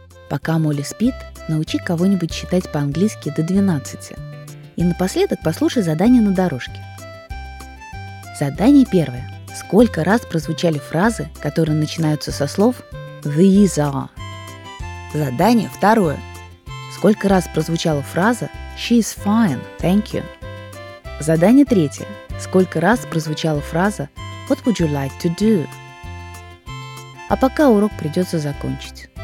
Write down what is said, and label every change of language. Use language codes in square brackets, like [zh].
[ru] Пока Молли спит, научи кого-нибудь считать по-английски до 12. И напоследок послушай задание на дорожке. Задание первое. Сколько раз прозвучали фразы, которые начинаются со слов [en] «these are»? [ru] Задание второе. Сколько раз прозвучала фраза [en] «she is fine, thank you»? [ru] Задание третье. Сколько раз прозвучала фраза [en] «what would you like to do»? [ru] А пока урок придется закончить.